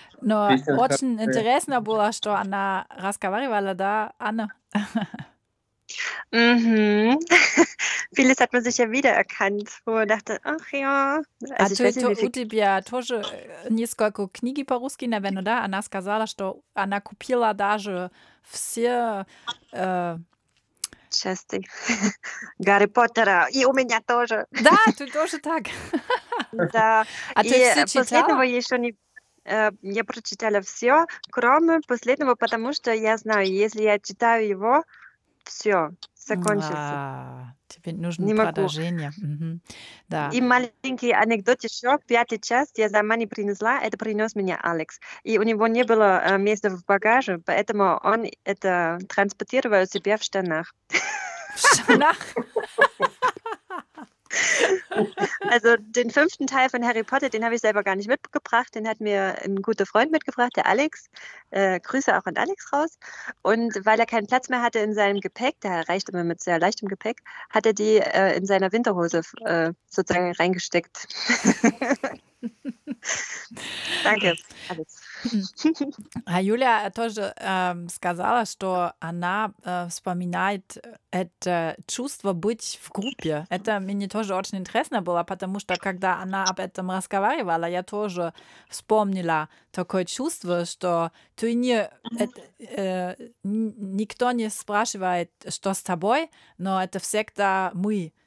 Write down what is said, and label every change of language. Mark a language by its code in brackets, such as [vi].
[ru] Но очень интересно было, что она разговаривала, да, Анна? [de] Vieles hat man sich ja wiedererkannt, wo man dachte, ach ja. [ru] Also а ты у тебя тоже несколько книги по-русски, наверное, да? Она сказала, что она купила даже все... части Гарри Поттера. И у меня тоже. Да, ты тоже так. Да. А ты все читала? И после этого еще не... Я прочитала все, кроме последнего, потому что я знаю, если я читаю его, все, закончится. Тебе нужно продолжение. Да. И маленький анекдот еще. Пятый час я сама не принесла, это принес мне Алекс. И у него не было места в багаже, поэтому он это транспортировал себе в штанах. В штанах? [de] Also den fünften Teil von Harry Potter, den habe ich selber gar nicht mitgebracht. Den hat mir ein guter Freund mitgebracht, der Alex. Grüße auch an Alex raus. Und weil er keinen Platz mehr hatte in seinem Gepäck, der reicht immer mit sehr leichtem Gepäck, hat er die in seiner Winterhose sozusagen reingesteckt. Danke. [ru] А Юля тоже сказала, что она вспоминает это чувство быть в группе. Это мне тоже очень интересно было, потому что когда она об этом разговаривала, я тоже вспомнила такое чувство, что ты не, никто не спрашивает, что с тобой, но это всегда мы.